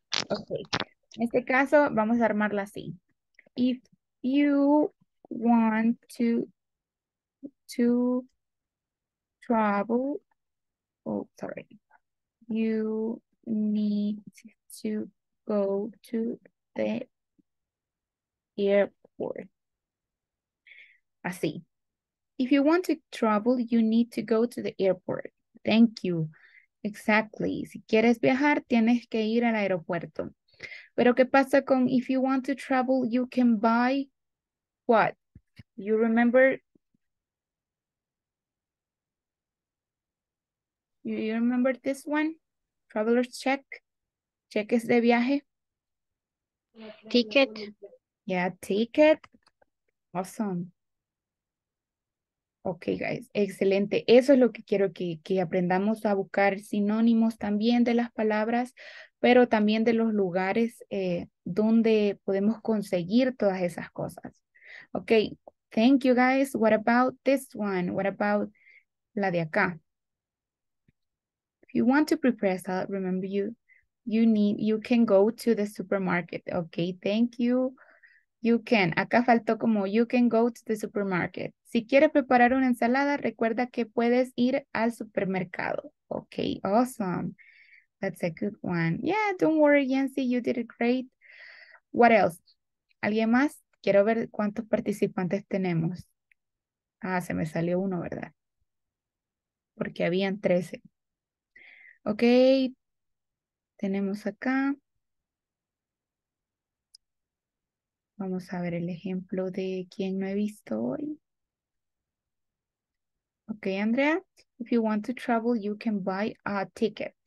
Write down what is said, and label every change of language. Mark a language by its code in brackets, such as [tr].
[en] Okay. [es] En este caso, vamos a armarla así. [en] If you want to travel, oh, sorry. You need to go to the airport. Así. If you want to travel, you need to go to the airport. Thank you. Exactly. [es] Si quieres viajar, tienes que ir al aeropuerto. Pero ¿qué pasa con [en] if you want to travel, you can buy what? You remember? You remember this one? Traveler's check? [es] Cheques de viaje? [en] Ticket. Yeah, ticket. Awesome. Okay, guys. [es] Excelente. Eso es lo que quiero que aprendamos a buscar sinónimos también de las palabras, pero también de los lugares donde podemos conseguir todas esas cosas. [en] Okay. Thank you, guys. What about this one? What about [es] la de acá? [en] If you want to prepare a salad, remember you can go to the supermarket. Okay, thank you. You can. [es] Acá faltó como [en] you can go to the supermarket. [es] Si quieres preparar una ensalada, recuerda que puedes ir al supermercado. [en] Okay, awesome. That's a good one. Yeah, don't worry, Yancy. You did it great. What else? [es] ¿Alguien más? Quiero ver cuántos participantes tenemos. Ah, se me salió uno, ¿verdad? Porque habían 13. Okay. Tenemos acá. Vamos a ver el ejemplo de quién no he visto hoy. [en] Okay, Andrea. If you want to travel, you can buy a ticket.